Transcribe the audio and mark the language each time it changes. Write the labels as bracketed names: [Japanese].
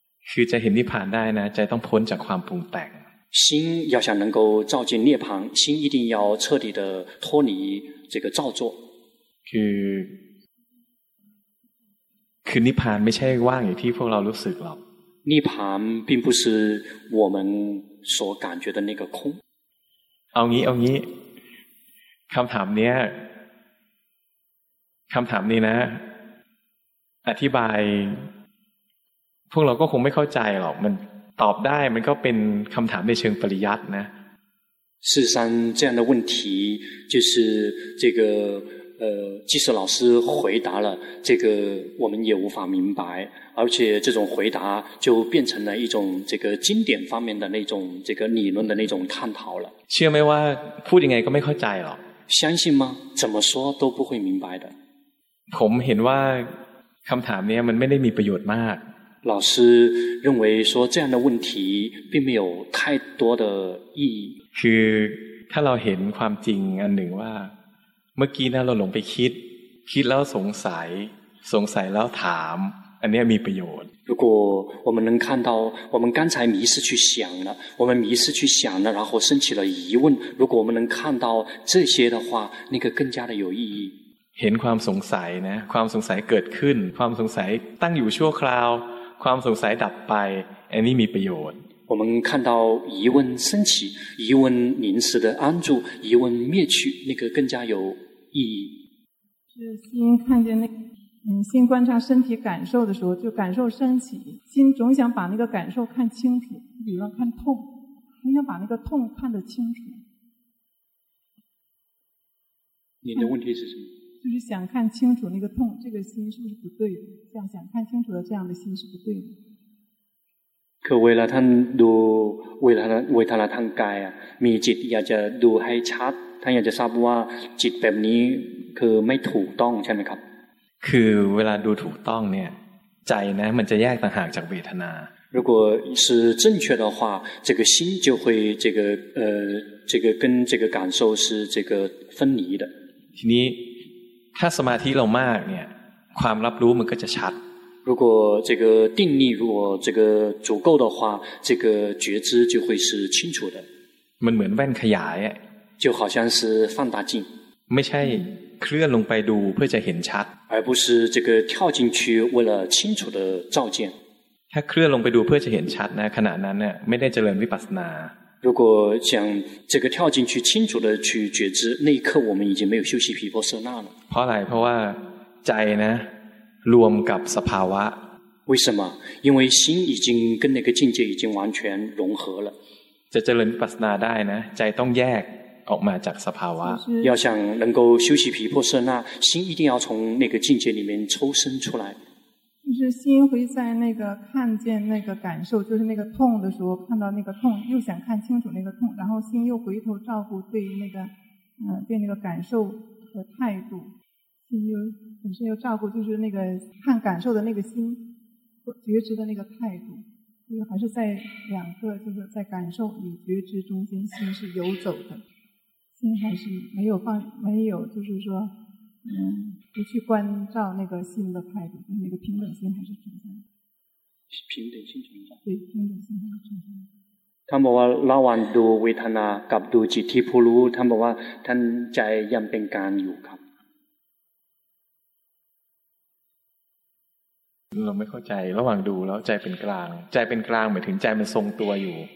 [Thai] คือจะเห็นนิพพานได้นะใจต้องพ้นจากความปรุงแต่ง [Chinese] 心要想能够照见涅槃，心一定要彻底的脱离这个造作。 [Thai] คือนิพพานไม่ใช่ว่างอยู่ที่พวกเรารู้สึกหรอก。 [Chinese] 涅槃并不是我们所感觉的那个空。 [Thai] เอางี้คำถามนี้นะอธิบายพวกเราก็คงไม่เข้าใจหรอกมันตอบได้มันก็เป็นคำถามในเชิงปริยัตินะ [Chinese] 事实上这样的问题就是这个即使老师回答了这个我们也无法明白而且这种回答就变成了一种这个经典方面的那种这个理论的那种探讨了 [Thai] เชื่อไหมว่าพูดยังไงก็ไม่เข้าใจหรอก [Chinese] 相信吗怎么说都不会明白的 [Thai] ผมเห็นว่าคำถามนี้มันไม่ได้มีประโยชน์มาก [Chinese] 老师认为说这样的问题并没有太多的意义 [Thai] คือถ้าเราเห็นความจริงอันหนึ่งว่าเมื่อกี้นะเราหลงไปคิดแล้วสงสัยแล้วถามอันนี้มีประโยชน์ [Chinese] 如果我们能看到我们刚才迷失去想了我们迷失去想了然后升起了疑问如果我们能看到这些的话那个更加的有意义 [Thai] เห็นความสงสัยนะความสงสัยเกิดขึ้นความสงสัยตั้งอยู่ชั่วคราวความสงสัยดับไปอันนี้มีประโยชน์ [Chinese] 我们看到疑问升起疑问临时的安住疑问灭去那个更加有意义是心看见心观察身体感受的时候就感受升起心总想把那个感受看清楚比方看痛总想把那个痛看得清楚你的问题是什么就是想看清楚那个痛，这个心是不是不对的？这样想看清楚的这样的心是不对的。 [Thai] คือเวลาท่านดูเวลาท่านกายอ่ะมีจิตอยากจะดูให้ชัดท่านอยากจะทราบว่าจิตแบบนี้คือไม่ถูกต้องใช่ไหมครับ？ คือเวลาดูถูกต้องเนี่ยใจนะมันจะแยกต่างหากจากเวทนา。 [Chinese] 如果是正确的话，这个心就会这个跟这个感受是这个分离的。 [Thai] ทีนี้ถ้าสมาธิเรามากเนี่ยความรับรู้มันก็จะชัด [Chinese] 如果这个定力如果这个足够的话这个觉知就会是清楚的 [Thai] มันเหมือนแว่นขยายอ่ะ [Chinese] 就好像是放大镜 [Thai] ไม่ใช่เคลื่อนลงไปดูเพื่อจะเห็นชัด [Chinese] 而不是这个跳进去为了清楚的照见 [Thai] ถ้าเคลื่อนลงไปดูเพื่อจะเห็นชัดนะขณะนั้นเนี่ยไม่ได้เจริญวิปัสสนา [Chinese] 如果想这个跳进去清楚的去觉知那一刻我们已经没有休息毗婆舍那了 [Thai] เพราะอะไรเพราะว่าใจนะรวมกับสภาวะ [Chinese] 为什么因为心已经跟那个境界已经完全融合了 [Thai] จะเจริญปัสนาได้นะใจต้องแยกออกมาจากสภาวะ [Chinese] 要想能够休息毗婆舍那心一定要从那个境界里面抽身出来就是心会在那个看见那个感受就是那个痛的时候看到那个痛又想看清楚那个痛然后心又回头照顾对那个对那个感受和态度心又本身又照顾就是那个看感受的那个心觉知的那个态度就是还是在两个就是在感受与觉知中间心是游走的心还是没有就是说不去关照那个心的态度，那个平等心还是存在的。平等心存在。对，平等心还是存在的。 [Thai] ท่านบอกว่าระหว่างดูเวทนากับดูจิตที่ผู้รู้ท่านบอกว่าท่านใจยังเป็นกลางอยู่ครับ เราไม่เข้าใจระหว่างดูแล้วใจเป็นกลางใจเป็นกลางหมายถึงใจมันทรงตัวอยู่